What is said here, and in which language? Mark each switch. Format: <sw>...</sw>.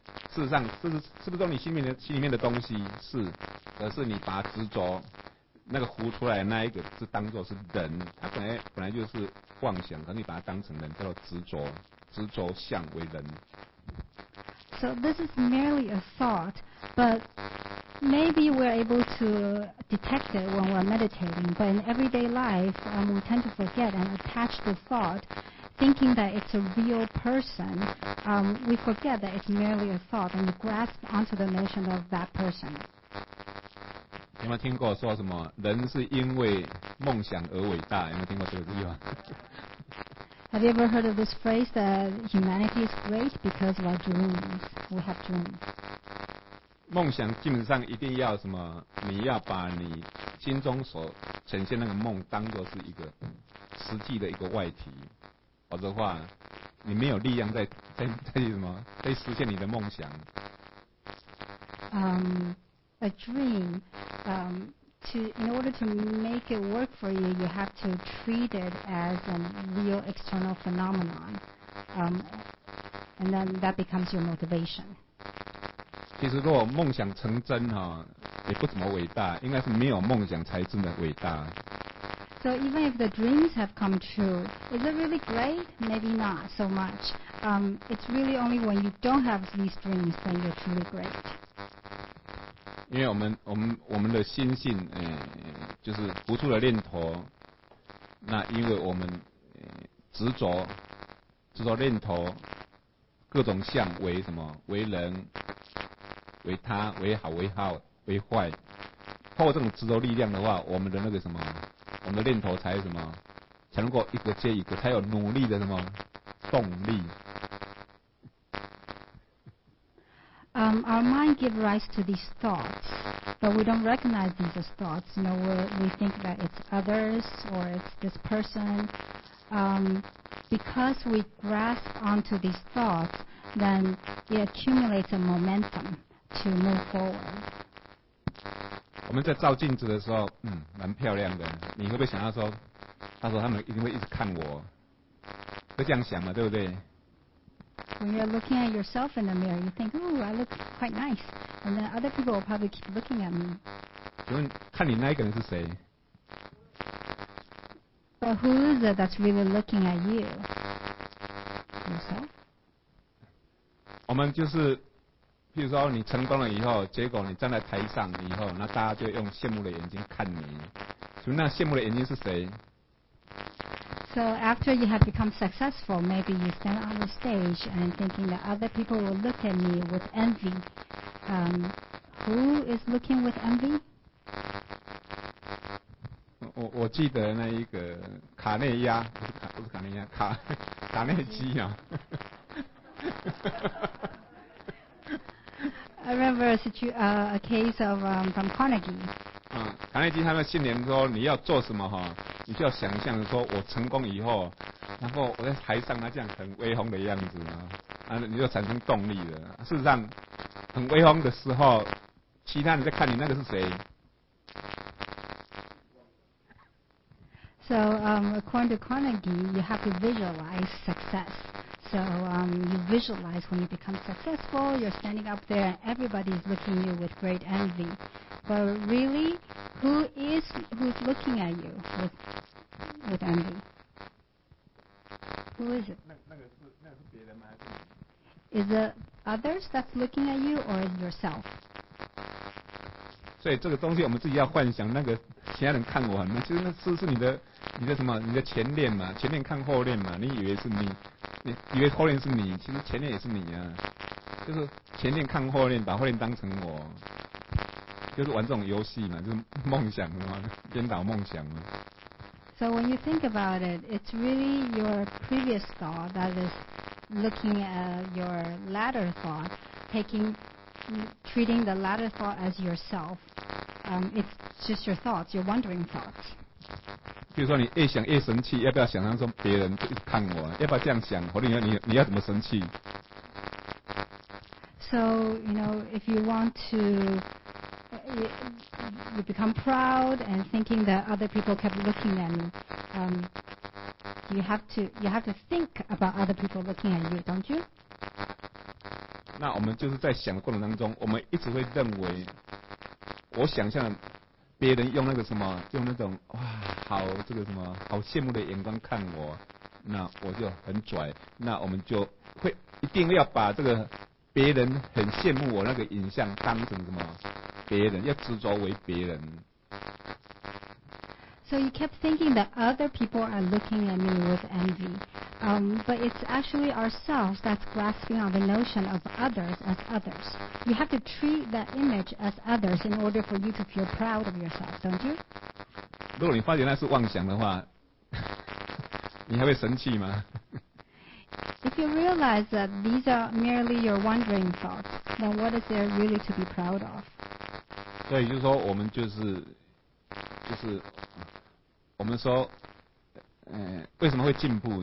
<zh>事实上，是不是你心里面的东西是，可是你把它执着。那个糊出来的那一个是当作是人，他本来就是妄想，可你把它当成人，叫做执着，执着相为人。</zh> <en>So this is merely a thought, but maybe we're able to detect it when we're meditating. But in everyday life, we tend to forget and attach the thought, thinking that it's a real person. We forget that it's merely a thought, and we grasp onto the notion of that person.</en> <zh>有没有听过说什么人是因为梦想而伟大？有没有听过这个句话？</zh> <en>Have you ever heard of this phrase that humanity is great because of our dreams? We have dreams.</en> <zh>梦想基本上一定要什么？你要把你心中所呈现那个梦当作是一个实际的一个外体，否则的话，你没有力量在什么在实现你的梦想。</zh> <en>A dream, in order to make it work for you, you have to treat it as a real external phenomenon, and then that becomes your motivation.</en> <zh>其实如果梦想成真哈，也不怎么伟大，应该是没有梦想才真的伟大。</zh> <en>So even if the dreams have come true, is it really great? Maybe not so much. It's really only when you don't have these dreams that you're truly great.</en> <zh>因为我们的心性，就是浮出了念头，那因为我们执着念头，各种相为什么为人，为他，为好，为好，为坏，透过这种执着力量的话，我们的那个什么，我们的念头才什么，才能够一个接一个，才有努力的什么动力。</zh> <en>Our mind gives rise to these thoughts, but we don't recognize these as thoughts. You know, we think that it's others or it's this person. Because we grasp onto these thoughts, then it accumulates a momentum to move forward.</en> <zh>我们在照镜子的时候，蛮漂亮的。你会不会想要说，他说他们一定会一直看我，会这样想嘛，对不对？</zh> <en>When you're looking at yourself in the mirror, you think, "Oh, I look quite nice," and then other people will probably keep looking at me.</en> <zh>请问看你那一个人是谁？</zh> <en>But who is it that's really looking at you? Yourself.</en> <zh>我们就是，譬如说你成功了以后，结果你站在台上以后，那大家就用羡慕的眼睛看你。请问那羡慕的眼睛是谁？</zh> <en>So after you have become successful, maybe you stand on the stage and thinking that other people will look at me with envy. Who is looking with envy?</en> <zh>我记得那一个卡内亚，不是卡内亚，卡内基啊。</zh> <en>I remember a case of from Carnegie.</en> <zh>卡内基他们信念说你要做什么哈。你就要想象说我成功以后，然后我在台上那这样很威风的样子啊，你就产生动力了。事实上很威风的时候，其他人在看你那个是谁。</zh> <en>So according to Carnegie, you have to visualize success. So you visualize when you become successful, you're standing up there and everybody is looking at you with great envy. But really,Who's looking at you with envy? Who is it?</en> <zh>那个是别人吗？</zh> <en>Is it others that's looking at you or yourself?</en> <zh>所以这个东西我们自己要幻想，那个其他人看我，那其实那是你的什么？你的前脸嘛，前脸看后脸嘛，你以为是你，你以为后脸是你，其实前脸也是你啊，就是前脸看后脸，把后脸当成我。就是玩这种游戏嘛，就是梦想嘛，颠倒梦想嘛。</zh> <en>So when you think about it, it's really your previous thought that is looking at your latter thought, treating the latter thought as yourself. It's just your thoughts, your wandering thoughts.</en> <zh>比如说你越想越生气，要不要想象说别人就看我？要不要这样想？或者你要怎么生气</zh> <en>？So you know, if you want to. You become proud and thinking that other people kept looking at me. You have to think about other people looking at you, don't you?</en> <zh>那我们就是在想的过程当中，我们一直会认为，我想象别人用那个什么，用那种哇，好这个什么，好羡慕的眼光看我，那我就很拽，那我们就会一定要把这个别人很羡慕我那个影像当成什么。别人要执着为别人。</zh> <en>So you kept thinking that other people are looking at me with envy, but it's actually ourselves that's grasping on the notion of others as others. You have to treat that image as others in order for you to feel proud of yourself, don't you?</en> <zh>如果你发觉那是妄想的话，你还会生气吗？</zh> <en>If you realize that these are merely your wandering thoughts, then what is there really to be proud of?</en> <zh>所以就是说，我们就是，我们说，为什么会进步？</zh>